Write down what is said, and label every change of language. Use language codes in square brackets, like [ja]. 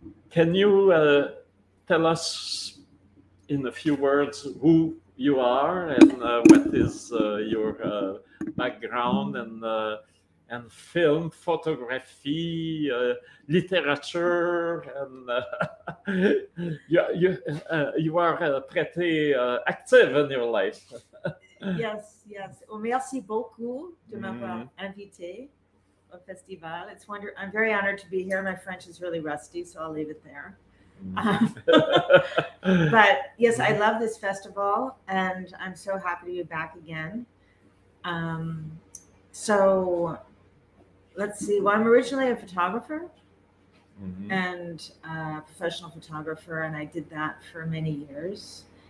[en] Can you tell us in a few words who you are and what is your background and film, photography, literature, and you are pretty active in your life. Yes. [fr] Oh, merci beaucoup de m'avoir invité au festival. [en] It's wonderful. I'm very honored to be here. My French is really rusty, so I'll leave it there. but yes, I love this festival, and I'm so happy to be back again. So let's see. Well, I'm originally a photographer and a professional photographer, and I did that for many years.